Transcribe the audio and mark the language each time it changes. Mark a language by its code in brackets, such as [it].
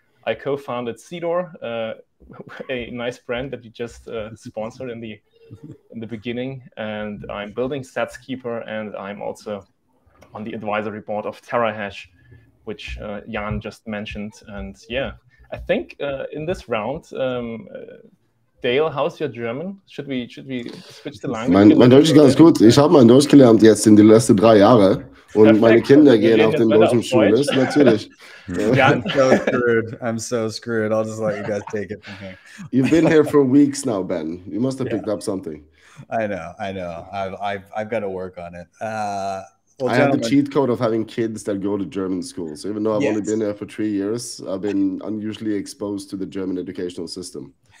[en] I co-founded Seedor, a nice brand that you just sponsored in the beginning. And I'm building Satskeeper, and I'm also on the advisory board of TerraHash, which Jan just mentioned. And yeah, I think in this round, Dale, how's your German? Should we switch the language? [de] Mein Deutsch ist ganz gut. Ich habe mein Deutsch gelernt jetzt in die letzten drei Jahre. Und meine Kinder gehen auf den deutschen Schulen, natürlich. [en] Yeah, I'm so screwed. I'll just let you guys take it from here. You've been here for weeks now, Ben. You must have picked up something. I know. I've got to work on it. Well, I have the cheat code of having kids that go to German school. So even though I've only been there for 3 years, I've been unusually exposed to the German educational system.